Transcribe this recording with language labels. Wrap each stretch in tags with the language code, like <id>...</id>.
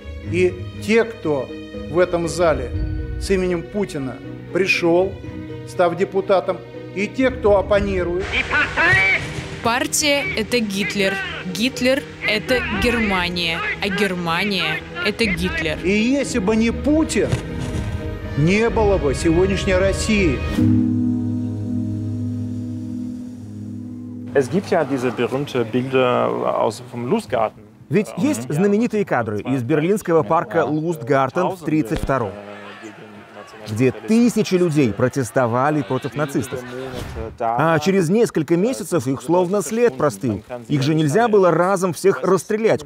<ru>И те, кто в этом зале с именем Путина пришел, став депутатом, и те, кто оппонирует. Партия – это Гитлер. Гитлер – это Германия. А Германия – это Гитлер. И если бы не Путин, не было бы сегодняшней России.</ru> <de>Es gibt ja diese berühmte Bilder aus vom Lustgarten.</de> <ru>Ведь есть знаменитые кадры из берлинского парка Lustgarten в 32-м. где тысячи людей протестовали против нацистов. А через несколько месяцев их словно след простыл. Их же нельзя было разом всех расстрелять.</ru>